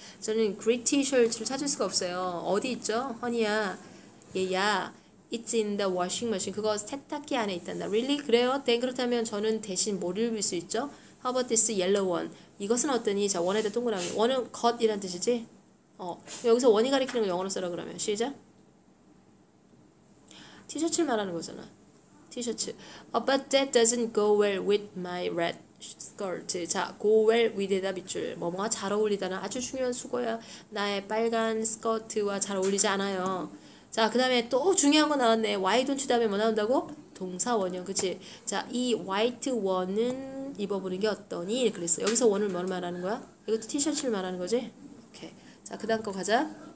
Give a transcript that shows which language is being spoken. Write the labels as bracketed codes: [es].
[ko] 저는 gray t-shirt를 찾을 수가 없어요. 어디 있죠? Honey야, 얘야, [en] it's in the washing machine. [ko] 그거 세탁기 안에 있단다. [en] Really? [ko] 그래요? 네, 그렇다면 저는 대신 뭘 입을 수 있죠? [en] How about this yellow one? [ko] 이것은 어떠니? 자, 원에다 동그라미. 원은 겉이란 뜻이지? 여기서 원이 가리키는 걸 영어로 써라 그러면. 시작. 티셔츠 말하는 거잖아. 티셔츠. [en] But that doesn't go well with my red skirt. [ko] 자, go well with에다 밑줄. 뭐뭐가 잘 어울리다는 아주 중요한 수거야. 나의 빨간 스커트와 잘 어울리지 않아요. 자, 그 다음에 또 중요한 거 나왔네. [en] Why don't you [ko] 다음에 뭐 나온다고? 동사 원형. 그치? 자, 이 white 원은 입어보는 게 어떠니? 그랬어. 여기서 원을 뭘 말하는 거야? 이것도 티셔츠를 말하는 거지? 오케이. 자, 그 다음 거 가자.